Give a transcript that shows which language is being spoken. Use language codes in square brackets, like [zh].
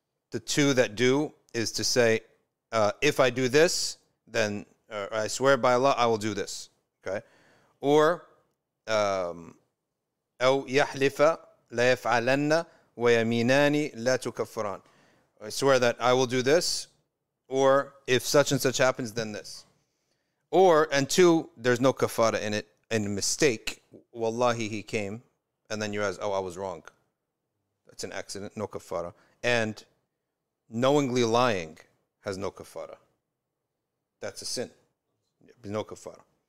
[en] The two that do is to say, if I do this, then I swear by Allah, I will do this. Okay, or [ar] أو يحلف لا يفعلن ويمينان لا تكفران. [en] I swear that I will do this, or if such and such happens, then this. Or, and two, there's no kafara in it, in mistake. Wallahi, he came. And then you ask, oh, I was wrong. That's an accident, no kafara. And knowingly lying has no kafara. That's a sin. No kafara.